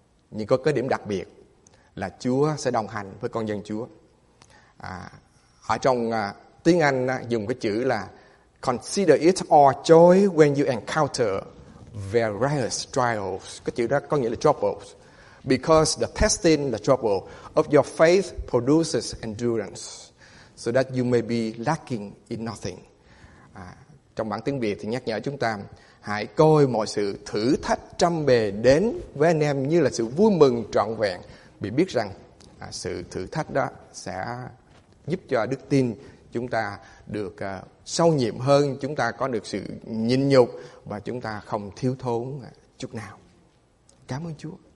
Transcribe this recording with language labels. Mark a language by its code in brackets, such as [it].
[vi] Nhưng có cái điểm đặc biệt là Chúa sẽ đồng hành với con dân Chúa. Ở trong tiếng Anh dùng cái chữ là [en] consider it all joy when you encounter various trials. [vi] Cái chữ đó có nghĩa là troubles. [en] Because the testing, the trouble of your faith produces endurance so that you may be lacking in nothing. [vi] Trong bản tiếng Việt thì nhắc nhở chúng ta hãy coi mọi sự thử thách trăm bề đến với anh em như là sự vui mừng trọn vẹn, vì biết rằng sự thử thách đó sẽ giúp cho đức tin chúng ta được sâu nhiệm hơn, chúng ta có được sự nhịn nhục và chúng ta không thiếu thốn chút nào. Cảm ơn Chúa.